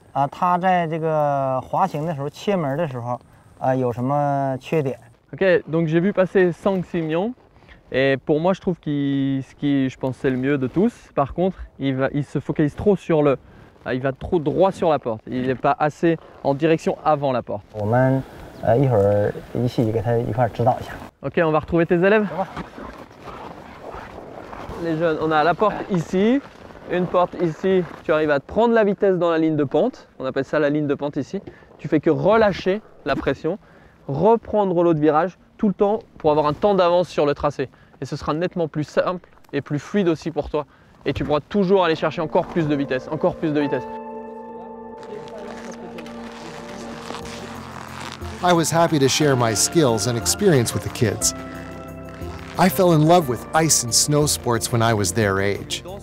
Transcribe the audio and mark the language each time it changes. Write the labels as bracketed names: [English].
[Chinese] 他在这个滑行的时候切门的时候有什么缺点? [French] OK, donc j'ai vu passer 5-6 millions et pour moi je trouve qu'il skie, je pense c'est le mieux de tous. Par contre, il se focalise trop sur le il va trop droit sur la porte. Il n'est pas assez en direction avant la porte. OK, on va retrouver tes élèves. Les jeunes, on a la porte ici. Une porte ici, tu arrives à prendre la vitesse dans la ligne de pente. On appelle ça la ligne de pente ici. Tu fais que relâcher la pression, reprendre l'eau de virage tout le temps pour avoir un temps d'avance sur le tracé. Et ce sera nettement plus simple et plus fluide aussi pour toi. Et tu pourras toujours aller chercher encore plus de vitesse, encore plus de vitesse. [English] I was happy to share my skills and experience with the kids. I fell in love with ice and snow sports when I was their age.